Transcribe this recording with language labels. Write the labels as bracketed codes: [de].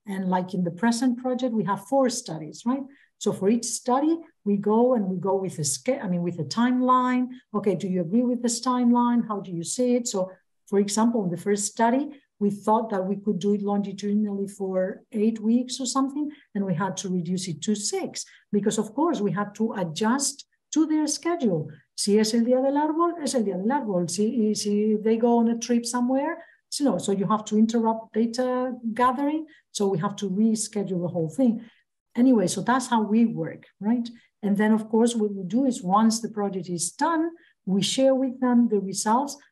[en] And like in the present project, we have four studies, right? So for each study, we go and we go with with a timeline. Okay, do you agree with this timeline? How do you see it? So for example, in the first study, we thought that we could do it longitudinally for 8 weeks or something, and we had to reduce it to 6 because, of course, we had to adjust to their schedule. [es] Si es el día del árbol, es el día del árbol. [en] Si they go on a trip somewhere, so you have to interrupt data gathering. So we have to reschedule the whole thing. Anyway, so that's how we work, right? And then, of course, what we do is once the project is done, we share with them the results.